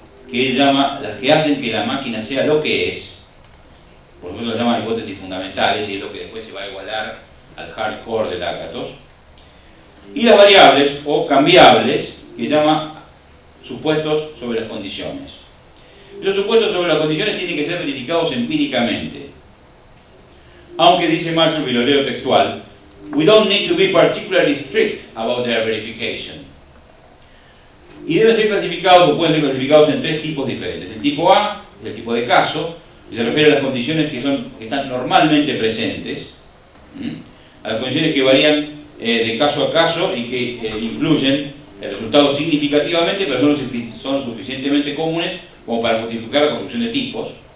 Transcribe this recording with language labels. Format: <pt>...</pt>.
<es>que él llama las que hacen que la máquina sea lo que es, por lo menos las llama hipótesis fundamentales, y es lo que después se va a igualar al hardcore de Lakatos, y las variables o cambiables, que llama supuestos sobre las condiciones. Los supuestos sobre las condiciones tienen que ser verificados empíricamente. Aunque dice Maslow, y lo leo textual,</es> <en>we don't need to be particularly strict about their verification.</en> <es>Y deben ser clasificados, o pueden ser clasificados en tres tipos diferentes. El tipo A es el tipo de caso, que se refiere a las condiciones que, que están normalmente presentes, a las condiciones que varían de caso a caso y que influyen el resultado significativamente, pero no son suficientemente comunes como para justificar la construcción de tipos.</es>